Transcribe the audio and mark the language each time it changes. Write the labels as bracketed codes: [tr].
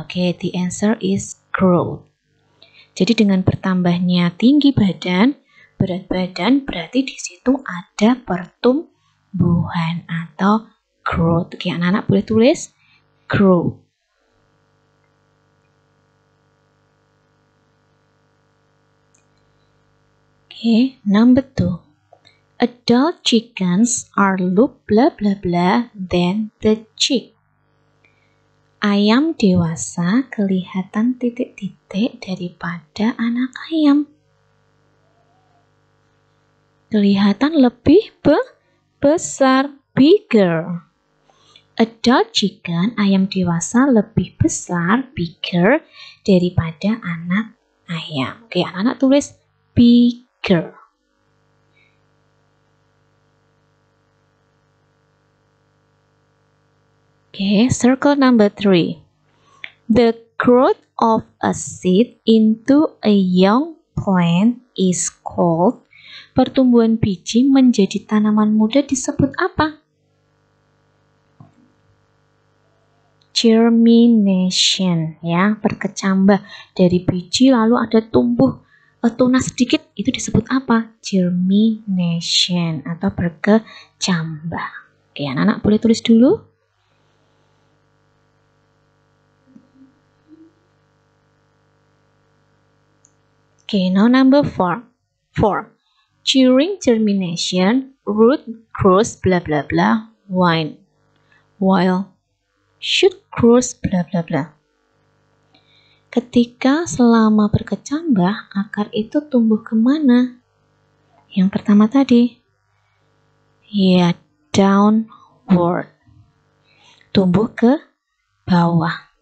[en] Okay, the answer is growth. [id] Jadi dengan bertambahnya tinggi badan, berat badan, berarti di situ ada pertumbuhan atau growth. Oke, anak-anak boleh tulis grow. [en] Oke, number 2. Adult chickens are look blah blah blah than the chick. [id] Ayam dewasa kelihatan titik-titik daripada anak ayam. Kelihatan lebih besar, bigger. Adult chicken, ayam dewasa lebih besar, bigger, daripada anak ayam. Oke, anak-anak tulis bigger. [en] Okay, circle number 3. The growth of a seed into a young plant is called. [id] Pertumbuhan biji menjadi tanaman muda disebut apa? Germination, ya, berkecambah dari biji lalu ada tumbuh tunas sedikit, itu disebut apa? Germination atau berkecambah. Oke, anak-anak boleh tulis dulu. [en] Oke, now number 4. During germination, root grows blah blah blah while should grows blah blah blah. [id] Ketika selama berkecambah, akar itu tumbuh kemana? Yang pertama tadi. Ya, downward. Tumbuh ke bawah.